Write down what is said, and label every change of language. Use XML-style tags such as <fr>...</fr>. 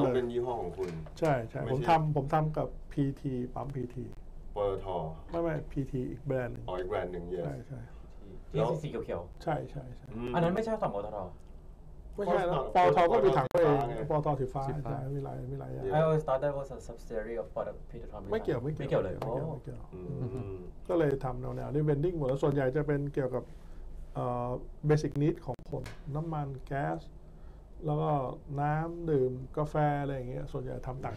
<th>ต้องเป็นยี่ห้อของคุณ ใช่ใช่ผมทำกับพีทีปั๊มพีที ปตท. ไม่ PT อีกแบรนด์นึง อ๋ออีกแบรนด์นึงเยอะ ใช่ใ ช่ที่สีเขียว ใช่ใช่ใช่อันนั้นไม่ใช่สองปตท. ไม่ใช่ปตท.ก็มีถังเองปตท.สีฟ้าใช่มีหลายอย่าง</th> <en>I always thought that was a subsidiary of PT</en> <th>ไม่เกี่ยวไม่เกี่ยว ไม่เกี่ยวเลย ไม่เกี่ยวก็เลยทำแนวนี้เวนดิ้งหมดแล้วส่วนใหญ่จะเป็นเกี่ยวกับbasic need ของคนน้ำมันแก๊สแล้วก็น้ำดื่มกาแฟอะไรอย่างเงี้ยส่วนใหญ่ทำต่าง</th>